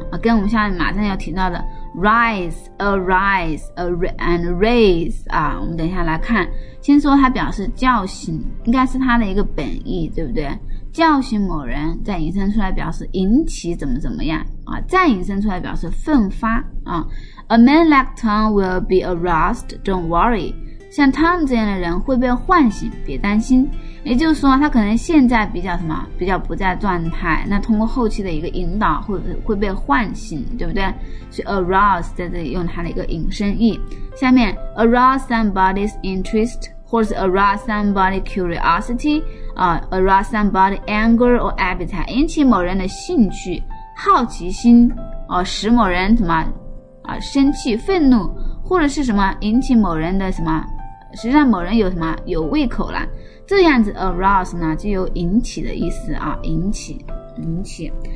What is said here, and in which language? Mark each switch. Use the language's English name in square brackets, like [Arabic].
[Chinese] 跟我们现在马上要提到的 rise arise and raise 啊，我们等一下来看。先说它表示叫醒，应该是它的一个本意，对不对？叫醒某人，再引申出来表示引起怎么怎么样啊，再引申出来表示奋发啊。 [English] A man like Tom will be aroused, don't worry， [Chinese] 像 Tom 这样的人会被唤醒，别担心。也就是说他可能现在比较什么，比较不在状态，那通过后期的一个引导 会被唤醒，对不对？所以 arouse 在这里用它的一个引申义。下面 arouse somebody's interest 或者是 arouse somebody's curiosity、arouse somebody's anger or appetite， 引起某人的兴趣好奇心、使某人什么、生气愤怒，或者是什么引起某人的什么，实际上某人有什么有胃口了，这样子 arouse 呢就有引起的意思啊，引起。